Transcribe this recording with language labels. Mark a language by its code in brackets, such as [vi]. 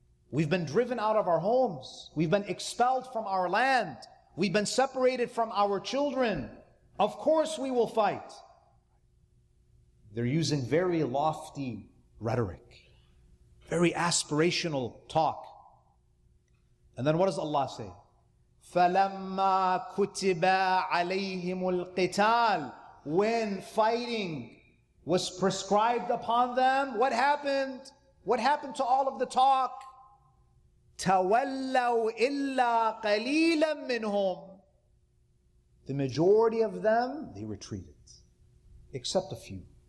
[en] We've been driven out of our homes. We've been expelled from our land. We've been separated from our children. Of course we will fight. They're using very lofty rhetoric. Very aspirational talk. And then what does Allah say? [ar] فَلَمَّا كُتِبَ عَلَيْهِمُ الْقِتَالِ. [en] When fighting was prescribed upon them. What happened? What happened to all of the talk? [ar] تَوَلَّوْا إِلَّا قَلِيلًا مِّنْهُمْ [en] The majority of them, they retreated. Except a few.